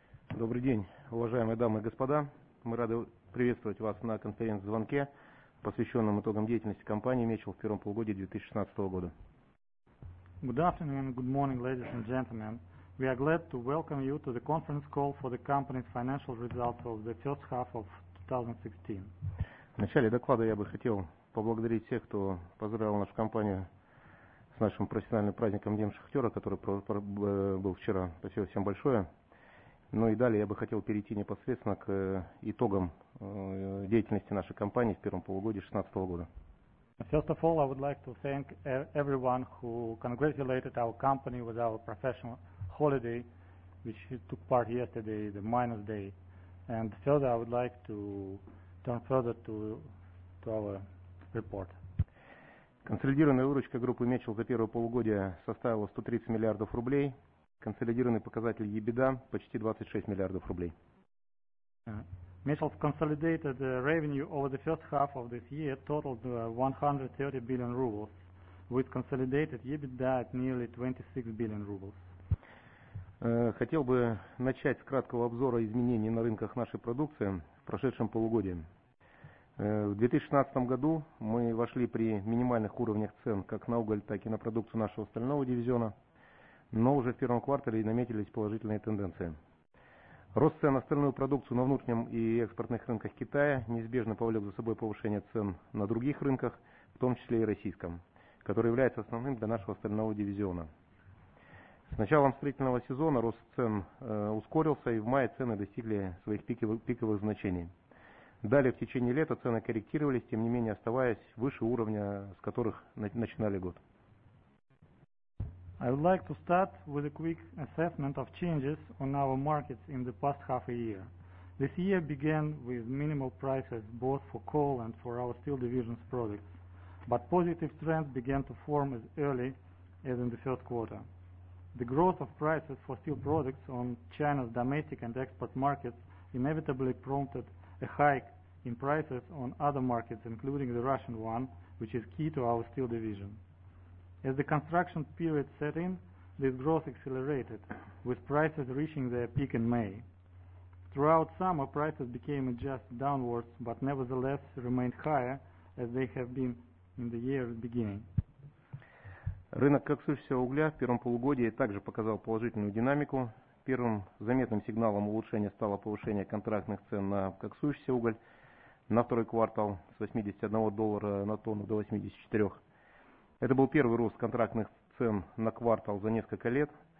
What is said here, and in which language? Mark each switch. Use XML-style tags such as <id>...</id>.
<ru>Добрый день, уважаемые дамы и господа. Мы рады приветствовать вас на конференц-звонке, посвященном итогам деятельности компании Mitchell в первом полугодии 2016 года.</ru> <en>Good afternoon and good morning, ladies and gentlemen. We are glad to welcome you to the conference call for the company's financial results of the first half of 2016.</en> <ru>В начале доклада я бы хотел поблагодарить всех, кто поздравил нашу компанию с нашим профессиональным праздником Днем Шахтера, который был вчера. Спасибо всем большое. Ну и далее я бы хотел перейти непосредственно к итогам деятельности нашей компании в первом полугодии 2016 года.</ru> <en>First of all, I would like to thank everyone who congratulated our company with our professional holiday, which took part yesterday, the miners' day. And further, I would like to turn further to our report.</en> <ru>Консолидированная выручка группы Mitchell за первое полугодие составила 130 миллиардов рублей. Консолидированный показатель EBITDA почти 26 миллиардов рублей.</ru> <en>Mitchell's consolidated revenue over the first half of this year totaled 130 billion rubles, with consolidated EBITDA at nearly 26 billion rubles.</en> <ru>Хотел бы начать с краткого обзора изменений на рынках нашей продукции в прошедшем полугодии. В 2016 году мы вошли при минимальных уровнях цен как на уголь, так и на продукцию нашего стального дивизиона, но уже в первом квартале наметились положительные тенденции. Рост цен на стальную продукцию на внутреннем и экспортных рынках Китая неизбежно повлек за собой повышение цен на других рынках, в том числе и российском, который является основным для нашего стального дивизиона. С началом строительного сезона рост цен ускорился, и в мае цены достигли своих пиковых значений. Далее в течение лета цены корректировались, тем не менее оставаясь выше уровня, с которых начинали год.</ru> <en>I would like to start with a quick assessment of changes on our markets in the past half a year. This year began with minimal prices both for coal and for our steel division's products, but positive trends began to form as early as in the first quarter. The growth of prices for steel products on China's domestic and export markets inevitably prompted a hike in prices on other markets, including the Russian one, which is key to our steel division. As the construction period set in, this growth accelerated, with prices reaching their peak in May. Throughout summer, prices became adjusted downwards, but nevertheless remained higher, as they have been in the year's beginning.</en> <ru>Рынок коксующегося угля в первом полугодии также показал положительную динамику. Первым заметным сигналом улучшения стало повышение контрактных цен на коксующийся уголь на второй квартал с 81 доллара на тонну до 84. Это был первый рост контрактных цен на квартал за несколько лет.</ru>